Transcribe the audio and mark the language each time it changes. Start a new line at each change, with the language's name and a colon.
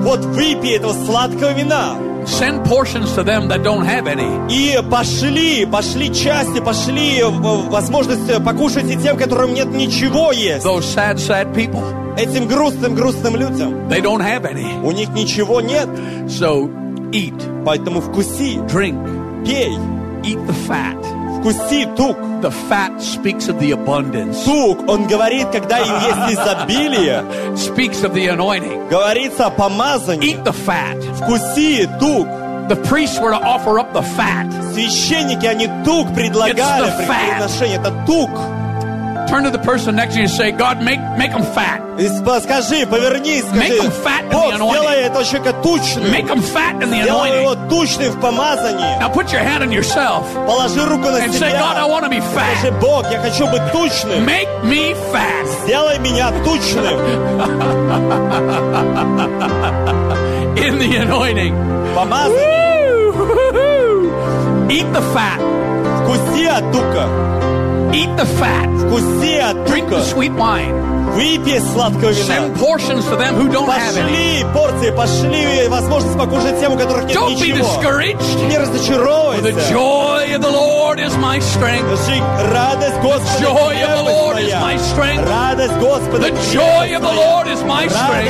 Russian: Вот выпей этого сладкого вина.
English: Send portions to them that don't have any.
Russian: И пошли, пошли части, пошли возможность покушать и тем, которым нет ничего есть.
English: Those sad, sad people.
Russian: Этим грустным, грустным людям.
English: They don't have any.
Russian: У них ничего нет.
English: So eat.
Russian: Поэтому вкуси.
English: Drink.
Russian: Пей.
English: Eat the fat.
Russian: Вкуси тук.
English: The fat speaks of the abundance.
Russian: Тук, он говорит, когда есть изобилие.
English: Speaks of the anointing.
Russian: Говорится о помазании.
English: Eat the fat.
Russian: Вкуси тук.
English: The priests were to offer up the fat.
Russian: Священники, они тук предлагали при приношении. Это тук.
English: Turn to the person next to you and say, God, make them fat.
Russian: Скажи, повернись, скажи.
English: Make them fat in the anointing.
Russian: Сделай это человека тучным.
English: Make them fat in the anointing.
Russian: Сделай его тучным в помазании.
English: Now put your hand on yourself.
Russian: Положи руку на
English: and
Russian: себя.
English: And say, God, I want to be fat.
Russian: Скажи, Бог, я хочу быть тучным.
English: Make me fat.
Russian: Сделай меня тучным.
English: In the anointing.
Russian: Помазание.
English: Eat the fat.
Russian: Вкуси от тука.
English: Eat the fat.
Russian: Вкуси от тука.
English: Drink the sweet wine.
Russian: Выпей сладкое вино.
English: Send portions to them who don't
Russian: пошли
English: have any.
Russian: Пошли порции, пошли возможность покушать тем, у которых нет
English: don't
Russian: ничего.
English: Don't be discouraged.
Russian: Не разочаровывайся.
English: For the joy of the Lord is my strength.
Russian: Скажи, радость Господа.
English: The joy of the Lord is my strength.
Russian: Радость Господа.
English: The joy of the Lord is my strength.